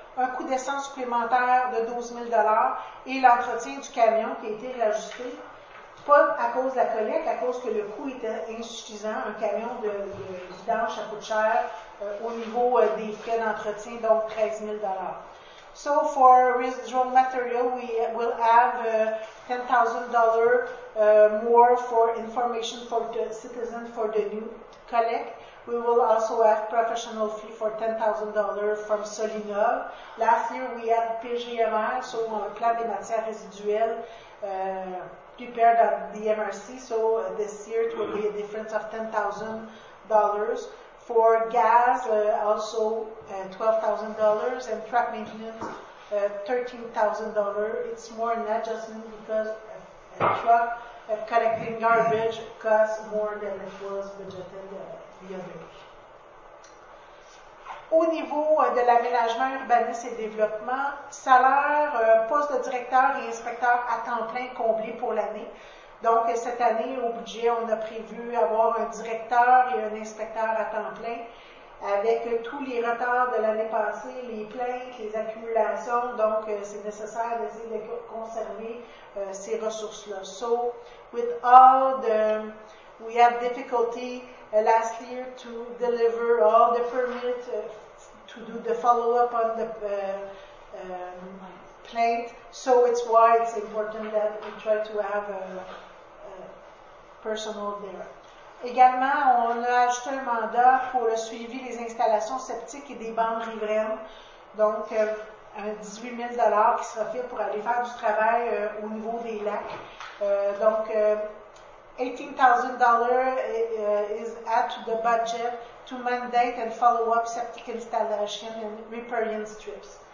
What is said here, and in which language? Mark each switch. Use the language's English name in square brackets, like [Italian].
[French] Un coût d'essence supplémentaire de 12 000 $ et l'entretien du camion qui a été réajusté. Pas à cause de la collecte, à cause que le coût était insuffisant. Un camion de vidange, ça coûte cher au niveau des frais d'entretien, donc 13 000 $. [English] So for residual material, we will have $10,000 more for information for the citizens for the new collect. We will also have professional fee for $10,000 from Solina. Last year we had PGMR, so [French] un plan des matières résiduelles [English] prepared at the MRC. So this year it will be a difference of $10,000. For gas, also $12,000, and track maintenance, $13,000. It's more an adjustment because a truck collecting garbage costs more than it was budgeted the other day. [French] Au niveau de l'aménagement, urbanisme et développement, salaire, poste de directeur et inspecteur à temps plein comblé pour l'année. Donc, cette année, au budget, on a prévu avoir un directeur et un inspecteur à temps plein. Avec tous les retards de l'année passée, les plaintes, les accumulations, donc c'est nécessaire d'essayer de conserver ces ressources-là. [English] So, with all the, we have difficulty last year to deliver all the permits, to do the follow-up on the plaint. So, it's why it's important that we try to have a personal there. [French] Également, on a ajouté un mandat pour le suivi des installations septiques et des bandes riveraines. Donc, un 18 000 $ qui sera fait pour aller faire du travail au niveau des lacs. [English] Donc, $18,000 is added to the budget to mandate and follow up septic installation and riparian strips.